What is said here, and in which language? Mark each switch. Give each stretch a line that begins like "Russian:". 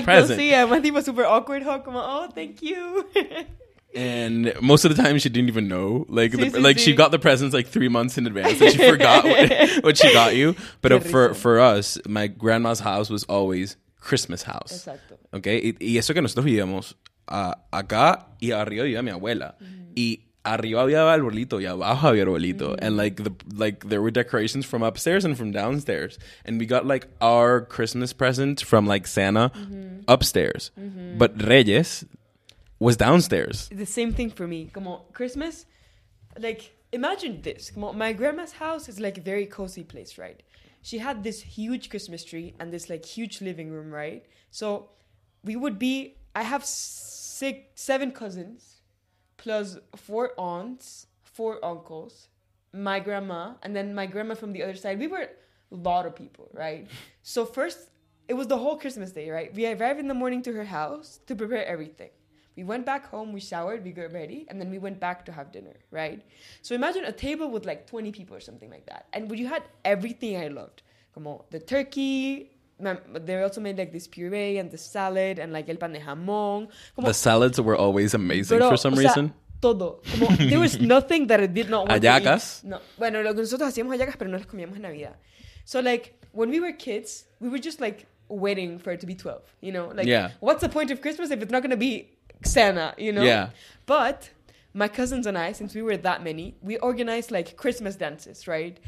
English: you the present. Exactly. See, my thing was super awkward hug. Come on, oh, thank you. And most of the time, she didn't even know. Like, she got the presents like 3 months in advance, and she forgot what she got you. But for us, my grandma's house was always Christmas house.
Spanish: Exacto.
English: Okay.
Spanish: Y eso que nosotros vivíamos acá y arriba vivía mi abuela y arriba había arbolito y abajo había arbolito. Mm-hmm.
English: And like there were decorations from upstairs and from downstairs. And we got like our Christmas present from like Santa upstairs. Mm-hmm. But Reyes was downstairs. The same thing for me. Como Christmas, like imagine this. Como my grandma's house is like a very cozy place, right? She had this huge Christmas tree and this like huge living room, right? So we would be, I have seven cousins, plus four aunts, four uncles, my grandma, and then my grandma from the other side. We were a lot of people, right? So first, it was the whole Christmas day, right? We arrived in the morning to her house to prepare everything. We went back home, we showered, we got ready, and then we went back to have dinner, right? So imagine a table with like 20 people or something like that. And you had everything I loved. Como the turkey, they also made like this puree and the salad and like el pan de jamón.
Spanish: Como,
English: the salads were always amazing pero, for some reason.
Spanish: Todo.
English: Como, there was nothing that I did not want
Spanish: ayacas.
English: To eat.
Spanish: No. Bueno, lo que nosotros hacíamos ayacas, pero no las comíamos en Navidad.
English: So like, when we were kids, we were just like waiting for it to be 12, you know? Like, yeah. What's the point of Christmas if it's not going to be Santa, you know? Yeah. But my cousins and I, since we were that many, we organized like Christmas dances, right?